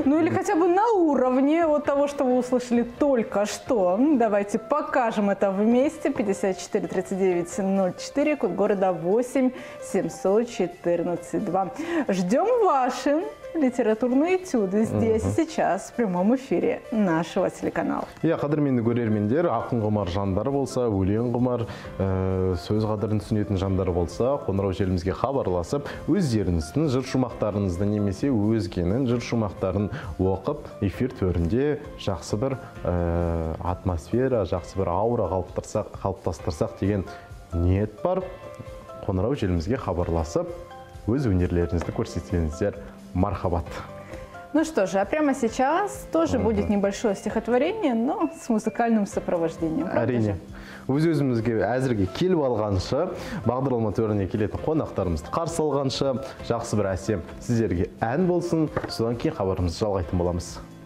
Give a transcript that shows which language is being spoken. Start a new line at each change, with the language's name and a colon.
Russian: Ну, или хотя бы на уровне вот того, что вы услышали только что. Давайте покажем это вместе. 54-39-04, код города 8-714-2. Ждем ваши литературные этюды здесь, угу. Сейчас, в прямом эфире нашего телеканала.
Kazakh: Я қадырменді көрермендер, ақын ғымар жандары болса, өлең ғымар, сөз ғадырын түсінетін жандары болса, қоңырау желімізге хабарласып, өздеріңіздің жыр шумақтарыңызды немесе өзгенің жыр шумақтарын оқып, эфир төрінде жақсы бір атмосфера, жақсы бір аура қалыптастырсақ деген ниет бар, қоңырау желімізге хабарласып, өз өнерлеріңізді көрсетсеңіздер. Мархабат.
Russian: Ну что же, а прямо сейчас тоже будет небольшое стихотворение, но с музыкальным сопровождением.
Kazakh: Арине, өз-өзімізге әзірге келіп алғанша, бағдарлама төріне келетін қонақтарымызды қарсы алғанша, жақсы бір әсем сіздерге ән болсын, содан кейін хабарымызды жалғайтын боламыз.